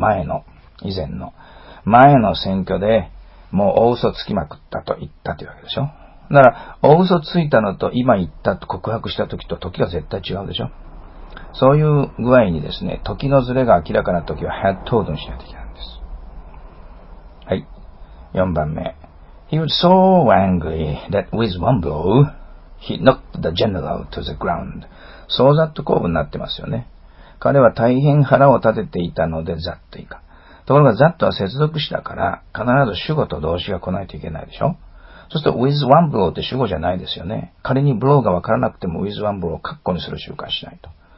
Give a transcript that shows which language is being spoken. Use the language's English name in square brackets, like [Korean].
[Japanese] 前の、以前の、前の選挙でもう大嘘つきまくったと言ったというわけでしょ。だから大嘘ついたのと今言ったと告白した時と時が絶対違うでしょ。そういう具合にですね、時のズレが明らかな時は had told にしないといけないんです。はい、4番目。 [English] He was so angry that with one blow he knocked the general to the ground。 [Japanese] そうざっと構文になってますよね。彼は大変腹を立てていたのでざっといか。ところが that は接続詞だから必ず主語と動詞が来ないといけないでしょ。そして with one blow って主語じゃないですよね。仮に blow がわからなくても with one blow を括弧にする習慣しないと。